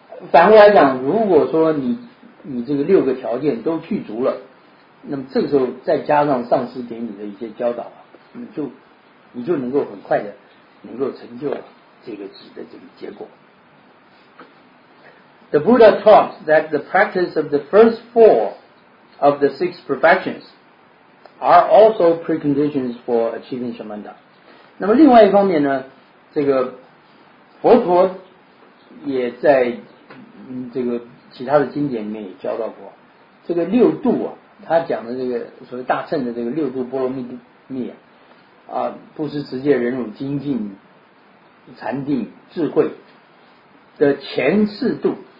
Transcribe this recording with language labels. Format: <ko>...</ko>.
<zh>反过来讲，如果说你这个六个条件都具足了，那么这个时候再加上上师给你的一些教导啊，你就能够很快的能够成就这个指的这个结果。</zh> <en>The Buddha taught that the practice of the first four of the six perfections are also preconditions for achieving Shamanta.</en> <zh>那么另外一方面呢，这个佛陀也在这个其他的经典里面也教到过，这个六度啊，他讲的这个所谓大乘的这个六度波罗蜜啊，布施、持戒、忍辱、精进、禅定、智慧的前四度。</zh>